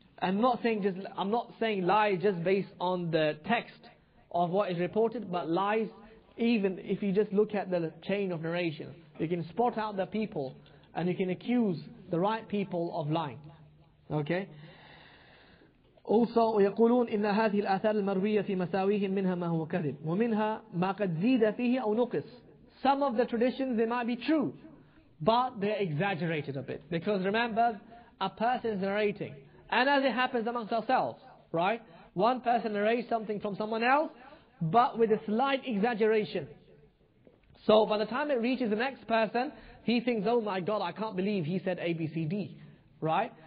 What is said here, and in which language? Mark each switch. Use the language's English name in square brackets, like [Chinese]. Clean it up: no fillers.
[English] I'm not saying lies just based on the text of what is reported, but lies, even if you just look at the chain of narration, you can spot out the people and you can accuse the right people of lying. Okay? Also, [Arabic] ويقولون إن هذه الآثار المروية في مساويهم منها ما هو كذب ومنها ما قد زيد فيه أو نقص. [English] Some of the traditions, they might be true, but they're exaggerated a bit. Because remember, a person is narrating. And as it happens amongst ourselves, right? One person narrates something from someone else, but with a slight exaggeration. So by the time it reaches the next person, he thinks, oh my God, I can't believe he said A, B, C, D. Right?